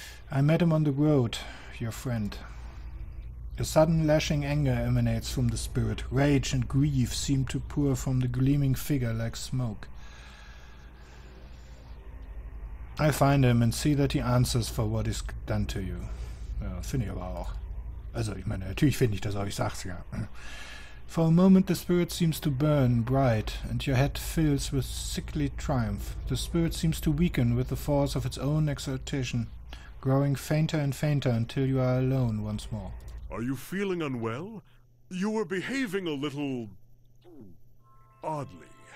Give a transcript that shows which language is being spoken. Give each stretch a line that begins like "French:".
English: I met him on the road, your friend. A sudden lashing anger emanates from the spirit. Rage and grief seem to pour from the gleaming figure like smoke. I find him and see that he answers for what is done to you.
German: Ja, finde ich aber auch. Also, ich meine, natürlich finde ich das, aber ich sag's ja.
English: For a moment the spirit seems to burn bright and your head fills with sickly triumph. The spirit seems to weaken with the force of its own exaltation, growing fainter and fainter until you are alone once more. Are you feeling unwell? You were behaving a little... oddly.